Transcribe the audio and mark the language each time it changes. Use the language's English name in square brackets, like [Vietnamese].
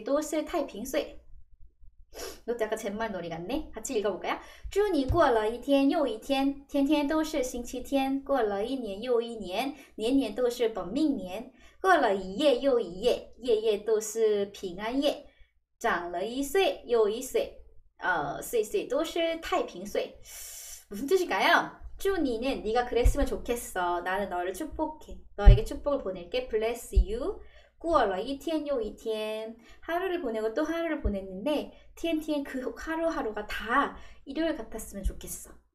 [Korean] 이것도 약간 젠말 놀이 같네. 같이 읽어볼까요? [Chinese] 祝你过了一天又一天，天天都是星期天。过了一年又一年，年年都是本命年。过了一夜又一夜，夜夜都是平安夜。长了一岁又一岁。岁岁都是太平岁. [Korean] 무슨 뜻일까요? 주니는 네가 그랬으면 좋겠어. 나는 너를 축복해. 너에게 축복을 보낼게. [English] Bless you. [Chinese] 过了一天又一天. [Korean] 하루를 보내고 또 하루를 보냈는데, [Chinese] 天天 [Korean] 그 하루하루가 다 일요일 같았으면 좋겠어.